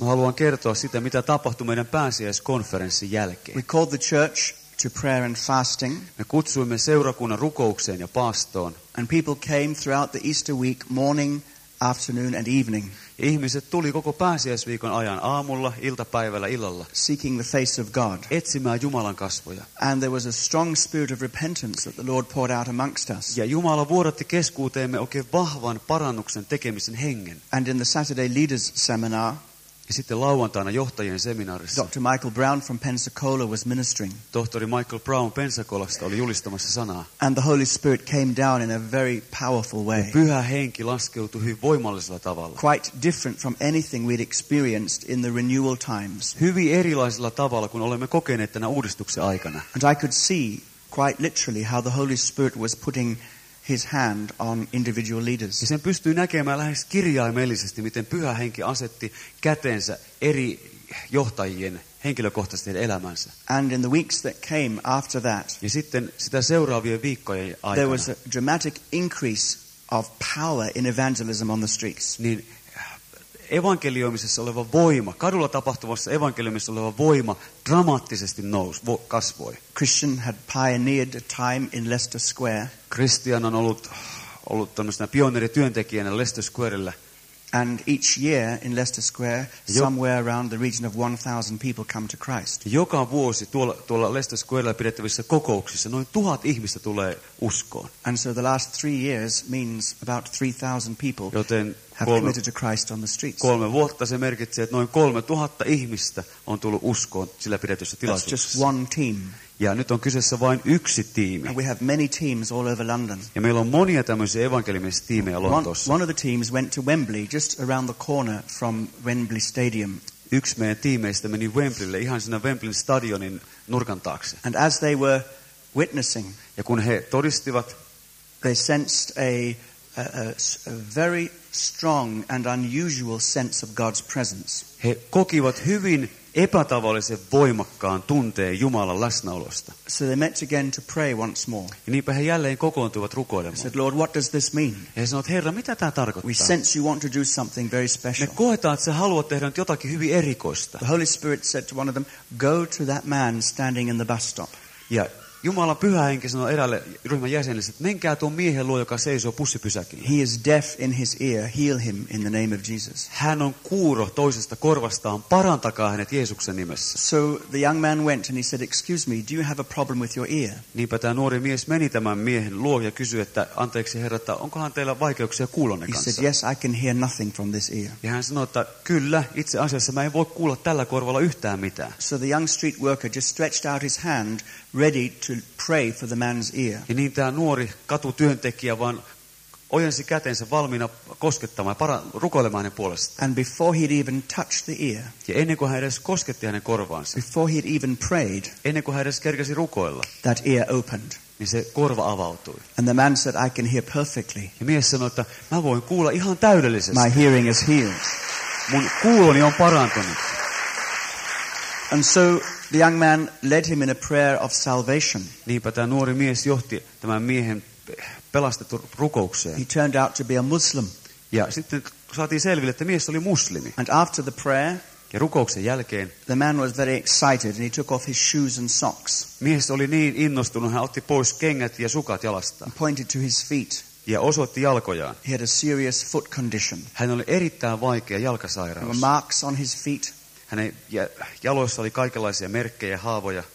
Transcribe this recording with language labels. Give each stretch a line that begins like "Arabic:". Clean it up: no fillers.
Finnish: Mä haluan kertoa sitä, mitä tapahtui meidän pääsiäiskonferenssin jälkeen.
English: We called the church to prayer and fasting.
Finnish: Me kutsuimme seurakunnan rukoukseen ja paastoon.
English: And people came throughout the Easter week, morning, afternoon and evening.
Finnish: Ihmiset tuli koko pääsiäisviikon ajan aamulla, iltapäivällä, illalla.
English: Seeking the face of God.
Finnish: Etsimään Jumalan kasvoja.
English: And there was a strong spirit of repentance that the Lord poured out amongst us.
Finnish: Ja Jumala vuodatti keskuuteemme oikein vahvan parannuksen tekemisen hengen.
English: And in the Saturday leaders seminar.
Finnish: Ja sitten lauantaina johtajien seminaarissa.
English: Dr. Michael Brown from Pensacola was ministering.
Finnish: Tohtori Michael Brown Pensacolasta oli julistamassa sanaa.
English: And the Holy Spirit came down in a very powerful way.
Finnish: Ja pyhä henki laskeutui hyvin voimallisella tavalla.
English: Quite different from anything we'd experienced in the renewal times.
Finnish: Hyvin erilaisella tavalla kuin olemme kokeneet tänä uudistuksen aikana.
English: And I could see quite literally how the Holy Spirit was putting his hand on individual leaders.
Finnish: Ja sen pystyy näkemään lähes kirjaimellisesti, miten Pyhä Henki asetti kätensä eri johtajien henkilökohtaisten elämänsä.
English: And in the weeks that came after that,
Finnish: ja sitten sitä seuraavien viikkojen aikana,
English: there was a dramatic increase of power in evangelism on the streets.
Finnish: Niin evankelioimisessa oleva voima, kadulla tapahtuvassa evankelioimisessa oleva voima dramaattisesti kasvoi.
English: Christian had pioneered a time in Leicester Square.
Finnish: Christian on ollut tämmöisenä pioneerityöntekijänä Leicester Squarella.
English: And each year in Leicester Square, somewhere around the region of 1,000 people come to Christ.
Finnish: Joka vuosi tuolla Leicester Squarella pidettävissä kokouksissa noin 1,000 ihmistä tulee uskoon.
English: And so the last 3 years means about 3,000 people have committed to Christ on the streets.
Finnish: 3 vuotta se merkitsee, että noin 3,000 ihmistä on tullut uskoon sillä pidetyssä tilaisuudessa.
English: That's just one team.
Finnish: Ja nyt on kyseessä vain yksi tiimi.
English: And we have many teams all over London.
Finnish: Ja meillä on monia tämmöisiä evankelimisia tiimejä Lontoossa.
English: One of the teams went to Wembley, just around the corner from Wembley Stadium.
Finnish: Yksi meidän tiimeistä meni Wembleylle, ihan siinä Wembleyn stadionin nurkan taakse.
English: And as they were witnessing,
Finnish: ja kun he todistivat,
English: they sensed a very strong and unusual sense of God's presence.
Finnish: He kokivat hyvin epätavallisen voimakkaan tunteen Jumalan läsnäolosta.
English: So they met again to pray once more.
Finnish: Ja niinpä he jälleen kokoontuivat rukoilemaan.
English: Said, Lord, what does this mean?
Finnish: He sanoivat, Herra, mitä tämä tarkoittaa?
English: We sense you want to do something very special.
Finnish: Me koetaan, että sä haluat tehdä nyt jotakin hyvin erikoista.
English: The Holy Spirit said to one of them, go to that man standing in the bus stop.
Finnish: Ja Jumalan Pyhä Henki sanoi eräälle ryhmän jäsenelle, että menkää tuon miehen luo, joka seisoo bussipysäkillä.
English: He is deaf in his ear, heal him in the name of Jesus.
Finnish: Hän on kuuro toisesta korvastaan, parantakaa hänet Jeesuksen nimessä.
English: So the young man went and he said, excuse me, do you have a problem with your ear?
Finnish: Niinpä tämä nuori mies meni tämän miehen luo ja kysyi, että anteeksi herra, että onkohan teillä vaikeuksia kuulonne kanssa?
English: He said, yes, I can hear nothing from this ear.
Finnish: Ja hän sanoi, että kyllä, itse asiassa mä en voi kuulla tällä korvalla yhtään mitään.
English: So the young street worker just stretched out his hand, ready to pray for the man's ear.
Finnish: Ja niin tämä nuori katutyöntekijä vaan ojensi kätensä valmiina koskettamaan ja rukoilemaan hänen puolestaan.
English: And before he'd even touched the ear.
Finnish: Ja ennen kuin hän edes kosketti hänen korvaansa.
English: Before he'd even prayed.
Finnish: Ennen kuin hän edes kerkesi rukoilla.
English: That ear opened.
Finnish: Niin se korva avautui.
English: And the man said, I can hear perfectly.
Finnish: Ja mies sanoi, että mä voin kuulla ihan täydellisesti.
English: My hearing is healed.
Finnish: Mun kuuloni on parantunut.
English: And so the young man led him in a prayer of salvation.
Finnish: Niinpä tämä nuori mies johti tämän miehen pelastettu rukoukseen.
English: He turned out to be a Muslim.
Finnish: Ja sitten saatiin selville, että mies oli muslimi.
English: And after the prayer,
Finnish: ja rukouksen jälkeen,
English: the man was very excited and he took off his shoes and socks.
Finnish: Mies oli niin innostunut, hän otti pois kengät ja sukat jalasta.
English: And pointed to his feet.
Finnish: Ja osoitti jalkojaan.
English: He had a serious foot condition.
Finnish: Hän oli erittäin vaikea jalkasairaus.
English: There were marks on his feet.
Finnish: Hänen jaloissa oli kaikenlaisia merkkejä, haavoja.